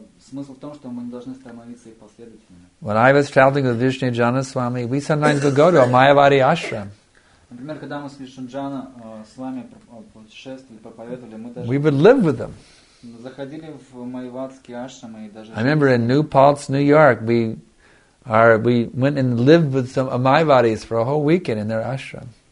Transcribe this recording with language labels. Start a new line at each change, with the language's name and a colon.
Russian: Смысл в том, что мы не должны становиться их последователями.
English: When I was traveling with Vishnu Jana Swami, we sometimes would go to a Mayavadi ashram.
Russian: Например, когда мы с Вишну Джана с вами путешествовали, проповедовали, мы даже
English: we would live with them.
Russian: Заходили в майявадский ашрам и даже.
English: I remember in New Paltz, New York, we went and lived with some Mayavadis for a whole weekend in their ashram.